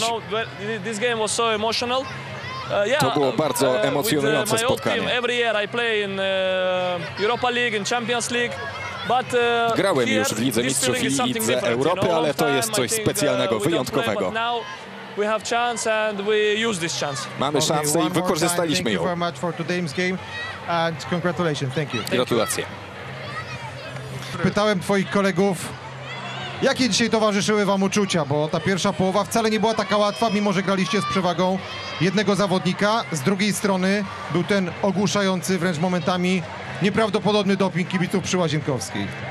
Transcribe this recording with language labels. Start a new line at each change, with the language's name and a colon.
English: You know, this game was so emotional.
Polish: To było bardzo emocjonujące spotkanie.
English: Team, every year I play in Europa League, in Champions League. But
Polish: grałem już w Lidze Mistrzów i Lidze Europy, ale to jest coś specjalnego, wyjątkowego.
English: We have chance and we use this chance.
Polish: Mamy szansę i wykorzystaliśmy ją.
English: Thank you very much for today's game and congratulations. Thank you.
Polish: Gratulacje. Pytałem twoich kolegów, jakie dzisiaj towarzyszyły wam uczucia, bo ta pierwsza połowa wcale nie była taka łatwa, mimo że graliście z przewagą jednego zawodnika. Z drugiej strony był ten ogłuszający, wręcz momentami nieprawdopodobny doping kibiców przy Łazienkowskiej.